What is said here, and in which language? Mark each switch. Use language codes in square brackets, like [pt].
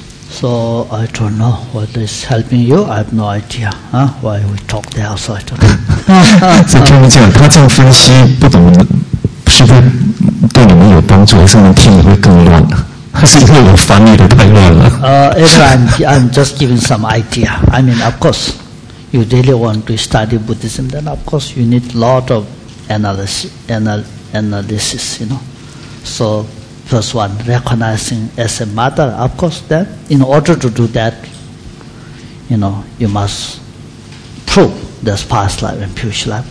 [en] So I don't know what is helping you. I have no idea. Why we talk there? So I don't know. [zh] 所以听你这样，他这样分析不懂，是不是对你们有帮助，还是能听你会更乱？还是因为我翻译的太乱了？ [en] I'm just giving some idea. I mean, of course, you really want to study Buddhism, then of course you need a lot of analysis. You know, so. First one, recognizing as a mother, of course, that in order to do that, you know, you must prove this past life and future life.